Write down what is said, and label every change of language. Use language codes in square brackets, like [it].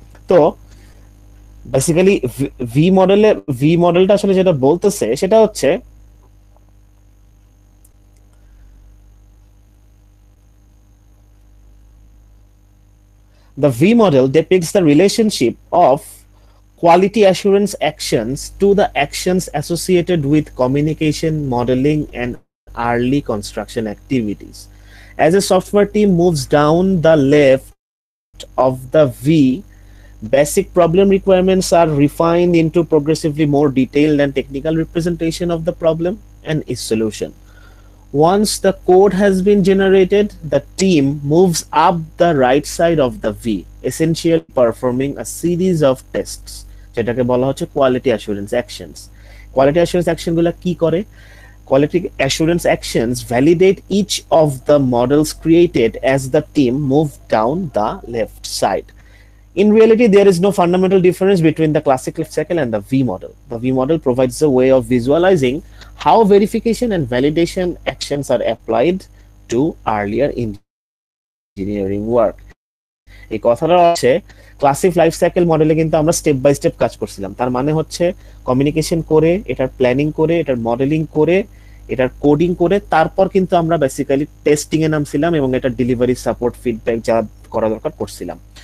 [bn] তো basically V মডেলে, V মডেলটা আসলে যেটা বলতেছে সেটা হচ্ছে [en] The V model depicts the relationship of quality assurance actions to the actions associated with communication, modelling and early construction activities. As a software team moves down the left of the V, basic problem requirements are refined into progressively more detailed and technical representation of the problem and its solution. Once the code has been generated, the team moves up the right side of the V, essentially performing a series of tests. [bn] যেটাকে বলা হচ্ছে quality assurance actions. Quality assurance action গুলো কি করে? [en] Quality assurance actions validate each of the models created as the team move down the left side. In reality, there is no fundamental difference between the classic life cycle and the V model. The V model provides a way of visualizing how verification and validation actions are applied to earlier engineering work. [bn] এই কথাটা হচ্ছে classic life cycle মডেলে কিন্তু আমরা step by step কাজ করছিলাম, তার মানে হচ্ছে কমিউনিকেশন করে, এটার প্ল্যানিং করে, এটার মডেলিং করে, এটার কোডিং করে, তারপর কিন্তু আমরা বেসিক্যালি টেস্টিং এ নামছিলাম এবং এটার ডেলিভারি সাপোর্ট ফিডব্যাক যা করা দরকার করছিলাম।